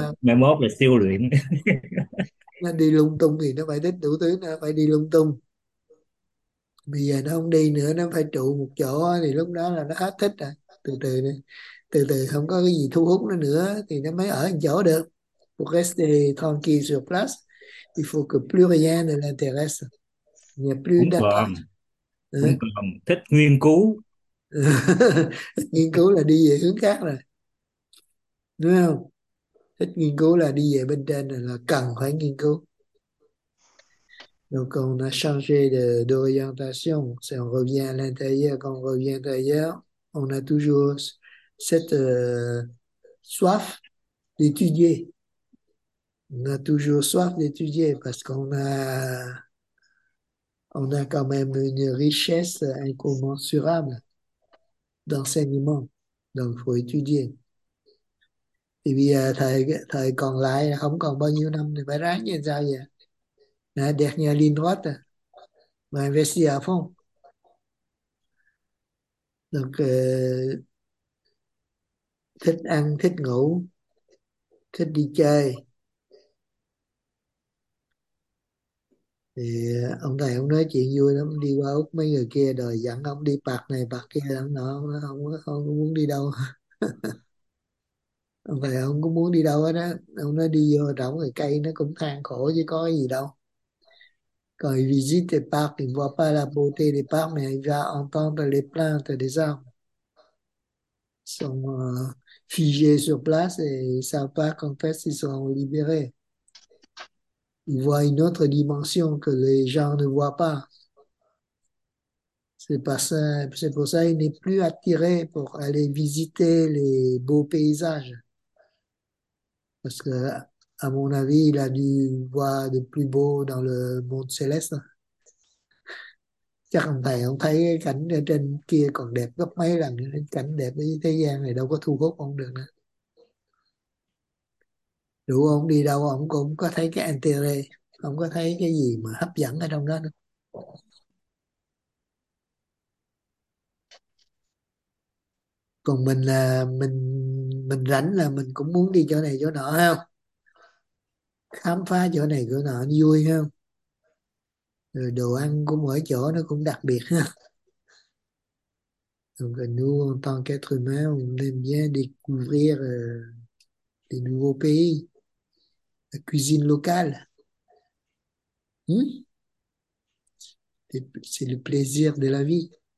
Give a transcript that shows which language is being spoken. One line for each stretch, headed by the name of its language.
Vietnamese: luyện mai mốt là siêu luyện. nó đi lung tung thì nó phải thích đủ thứ, nó phải đi lung tung. Bây giờ nó không đi nữa, nó phải trụ một chỗ thì lúc đó là nó hết thích rồi. Từ từ này, từ từ không có cái gì thu hút nó nữa thì nó mới ở một chỗ được.
French: Rester tranquille sur place, il faut que plus rien ne l'intéresse. Il
Vietnamese: Cũng
French: n'y
Vietnamese: còn
French: a
Vietnamese: thích nghiên cứu.
French: plus d'attente.
Vietnamese: Nghiên cứu là đi về hướng khác rồi. Đúng không? Thích nghiên cứu là đi về bên trên này, là cần phải nghiên cứu.
French: Donc on a changé d'orientation, c'est on revient à l'intérieur. Quand on revient à l'intérieur, on a toujours cette soif d'étudier. On a toujours soif d'étudier parce qu'on a quand même une richesse incommensurable d'enseignement. Donc il faut étudier. Et puis
Vietnamese: thời còn lại không còn bao nhiêu năm thì phải ráng như sao vậy?
French: La dernière ligne droite, m'investir à fond.
Vietnamese: Donc, thích ăn, thích ngủ, thích đi chơi. Ông thầy ông nói chuyện vui lắm, đi qua Úc mấy người kia đòi dẫn ông đi bạc này, bạc kia, ông nói không muốn đi đâu. Ông thầy ông cũng muốn đi đâu hết á, ông nói đi vô rỗng rồi cây nó cũng than khổ chứ có gì đâu.
French: Quand il visite les parcs, il ne voit pas la beauté des parcs, mais il va entendre les plaintes des arbres. Sont figés sur place et ils ne savent pas qu'en fait, ils seront libérés. Ils voient une autre dimension que les gens ne voient pas. C'est pour ça qu'il n'est plus attiré pour aller visiter les beaux paysages. Parce que, à mon avis, il a dû voir de plus beau dans le monde céleste.
Vietnamese: Chắc ông thầy ông thấy cái cảnh ở trên kia còn đẹp gấp mấy lần, cái cảnh đẹp ở thế gian này đâu có thu hút ông được nữa. Đủ ông đi đâu ông cũng có thấy cái intérêt, không có thấy cái gì mà hấp dẫn ở trong đó nữa. Còn mình là mình rảnh là mình cũng muốn đi chỗ này chỗ nọ không? Khám phá chỗ này chỗ nọ vui ha, rồi đồ ăn của mỗi chỗ nó cũng đặc biệt ha.
French: Donc nous en tant qu'être humain on aime bien découvrir les nouveaux pays, la cuisine locale. C'est le plaisir de la vie.